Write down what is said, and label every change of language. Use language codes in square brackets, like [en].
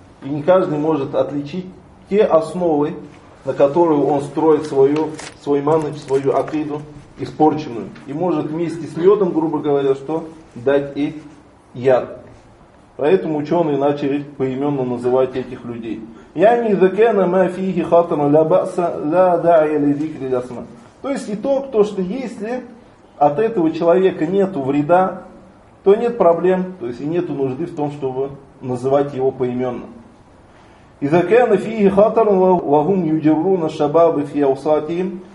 [ru] И не каждый может отличить те основы, на которые он строит свой маныч, свою акиду испорченную. И может вместе с медом, грубо говоря, что дать и яд. Поэтому ученые начали поименно называть этих людей. [ar] يعني إذا كان ما فيه خطر لا بأس لا داعي لذكر الأسماء. [ru] То есть и то, что если от этого человека нету вреда, то нет проблем, то есть и нету нужды в том, чтобы называть его поименно. [ar] إذا كان فيه خطر وهم يجرون الشباب في أوساطهم.